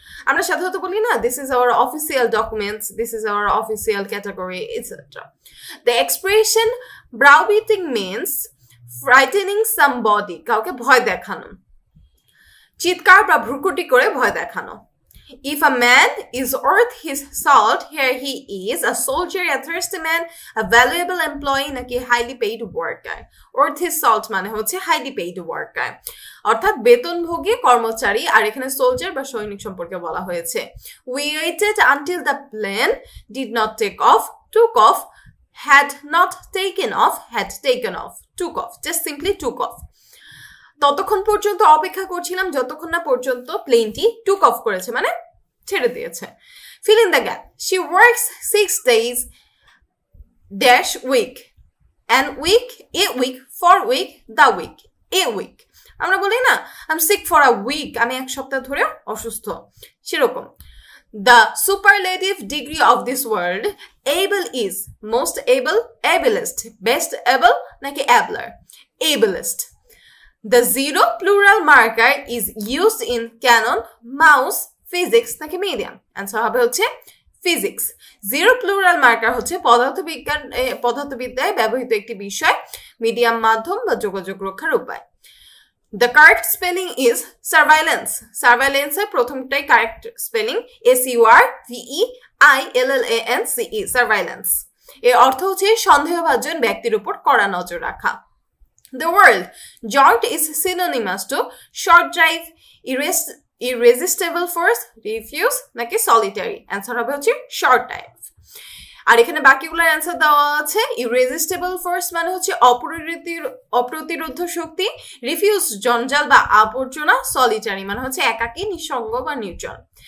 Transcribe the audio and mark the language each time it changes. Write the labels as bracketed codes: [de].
[bn] আমরা সাধারণত বলি না [en] This is our official documents, this is our official category etcetera. The expression browbeating means frightening somebody, [bn] কাউকে ভয় দেখানো, চিৎকার বা ভ্রুকুটি করে ভয় দেখানো। [en] If a man is worth his salt, here he is, a soldier, a thirsty man, a valuable employee, [bn] নাকি [en] highly paid worker. Worth his salt [bn] মানে হচ্ছে [en] highly paid worker, [bn] অর্থাৎ বেতনভোগী কর্মচারী, আর এখানে সোলজার বা সৈনিক সম্পর্কে বলা হয়েছে। [en] We waited until the plane did not take off, took off, had not taken off, had taken off, took off, just simply took off. [bn] ততক্ষণ পর্যন্ত অপেক্ষা করছিলাম যতক্ষণ না পর্যন্ত প্লেনটি টুক অফ করেছে, মানে ছেড়ে দিয়েছে। [en] Fill in the gap, she works six days dash week, an week, a week, for week, the week, a week. [bn] আমরা বলি না [en] I am sick for a week, [bn] আমি এক সপ্তাহ ধরে অসুস্থ, সেরকম। [en] the superlative degree of this word, able is, most able, ablest, best able [bn] নাকি [en] Abler, ablest. The zero plural marker is used in canon, mouse, physics, [bn] নাকি [en] medium? [bn] Answer হবে হচ্ছে physics. Zero plural marker হচ্ছে পদার্থবিজ্ঞান, পদার্থবিদ্যায় ব্যবহৃত একটি বিষয়, medium মাধ্যম বা যোগাযোগ রক্ষার উপায়। [en] The correct spelling is surveillance. Surveillance [bn] প্রথমটাই [en] correct spelling, S-U-R-V-E-I-L-L-A-N-C-E, surveillance. [bn] এর অর্থ হচ্ছে সন্দেহভাজন ব্যক্তির উপর কড়া নজর রাখা। [en] The world, jolt is synonymous to short drive, irresistible force, refuse, [bn] নাকি [en] solitary, answer [bn] হবে হচ্ছে [en] short drive। [bn] আর এখানে বাকিগুলোর অ্যান্সার দেওয়া আছে, ইরেজিস্টেবল ফোর্স মানে হচ্ছে অপ্রতিরোধ শক্তি, রিফিউজ জঞ্জাল বা আবর্জনা, সলিটারি মানে হচ্ছে একাকী, নিঃসঙ্গ বা নির্জন।